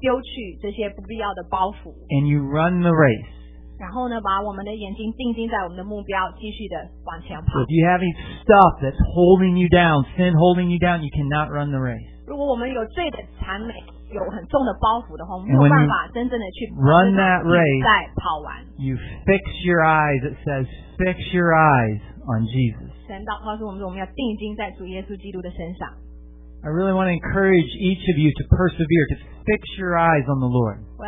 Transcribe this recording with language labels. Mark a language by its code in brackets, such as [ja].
[zh] 那如何在这个天路上面持守忍耐，就是要丢去这些不必要的包袱。 [en] And you run the race. [zh] 然后呢，把我们的眼睛定睛在我们的目标，继续的往前跑。 [en] So if you have any stuff that's holding you down, sin holding you down, you cannot run the race. [zh] 如果我们有罪的缠美，有很重的包袱的话，没有办法真正的去run [en] that race, [zh] 再跑完。 [en] You fix your eyes. It says, fix your eyes on Jesus. [zh] 神道告诉我们，我们要定睛在主耶稣基督的身上。 [en] I really want to encourage each of you to persevere, to fix your eyes on the Lord.